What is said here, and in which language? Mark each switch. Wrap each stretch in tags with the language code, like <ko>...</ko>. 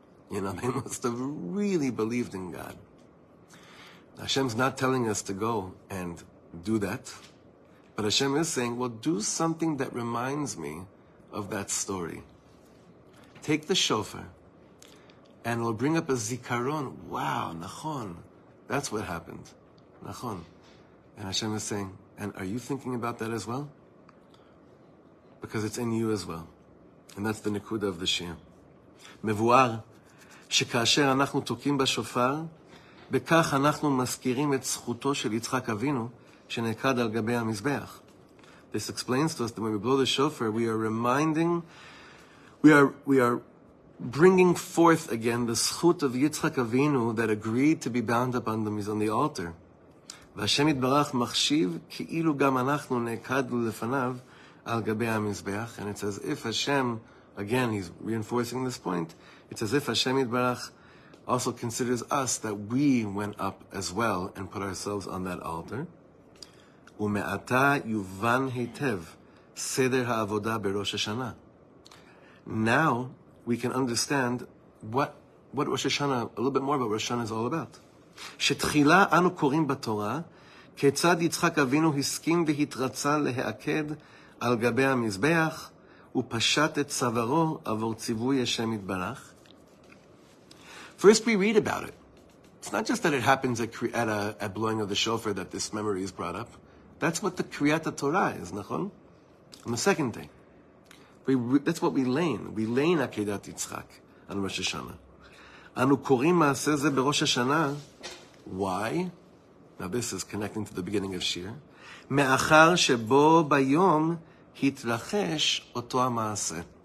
<en>You know, they must have really believed in God. Hashem's not telling us to go and do that, but Hashem is saying, well, do something that reminds me of that story. Take the shofar, and it'll bring up a zikaron. Wow, nachon, that's what happened. Nachon. And Hashem is saying, and are you thinking about that as well? Because it's in you as well. And that's the nekuda of the shir.</en> <he>Mevuar, שכאשר אנחנו תוקעים בשופר, בכך אנחנו מזכירים את זכותו של יצחק אבינו, שנקד על גבי המזבח.</he> <en>This explains to us that when we blow the shofar, we are reminding, we are bringing forth again the זכות of יצחק אבינו that agreed to be bound up on the altar.</en> <he>והשם יתברך מחשיב כאילו גם אנחנו נקדנו לפניו על גבי המזבח.</he> <en>And it's as if Hashem, again, he's reinforcing this point, it's as if Hashem יתברך also considers us that we went up as well and put ourselves on that altar.</en> <he>ומעתה יובן היטב סדר העבודה בראש השנה.</he> <en>Now we can understand what Rosh Hashanah, a little bit more about what Rosh Hashanah is all about.</en> <he>שתחילה אנו קוראים בתורה כיצד יצחק אבינו הסכים והתרצה להיעקד על גבי המזבח ופשט את צווארו עבור ציווי השם יתברך.</he> <en>First we read about it. It's not just that it happens at blowing of the shofar that this memory is brought up. That's what the Kriyat HaTorah is, נכון? On the second day. That's what we lain. We lain</en> <he>עקדת יצחק על ראש השנה. אנו קוראים מעשה זה בראש השנה.</he> <en>Why? Now this is connecting to the beginning of Shir.</en> <he>מאחר שבו ביום התרחש אותו המעשה.</he>